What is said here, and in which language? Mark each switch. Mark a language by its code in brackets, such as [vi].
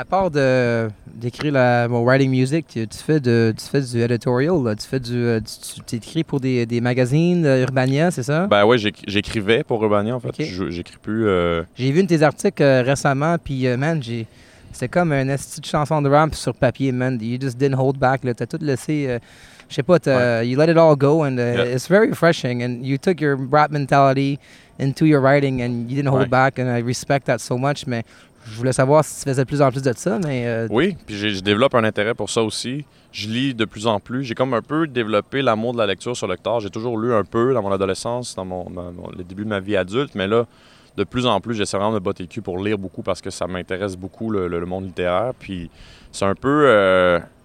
[fr] À part d'écrire mon writing music, tu fais du editorial, là. Tu écris pour des magazines, Urbania, c'est ça? Ben oui, j'écrivais pour Urbania, en fait. Okay. J'écris plus... J'ai vu un de tes articles récemment, puis man, c'était comme un esti de chanson de rap sur papier, man. [en] You just didn't hold back, là. [fr] T'as tout laissé... Je sais pas, [en] you let it all go, and it's very refreshing, and you took your rap mentality into your writing, and you didn't hold back, and I respect that so much, [fr] mais je voulais savoir si tu faisais de plus en plus de ça, mais... Oui, puis je développe un intérêt pour ça aussi. Je lis de plus en plus. J'ai comme un peu développé l'amour de la lecture sur le tard. J'ai toujours lu un peu dans mon adolescence, dans le début de ma vie adulte, mais là, de plus en plus, j'essaie vraiment de me botter le cul pour lire beaucoup parce que ça m'intéresse beaucoup, le monde littéraire, puis c'est un peu...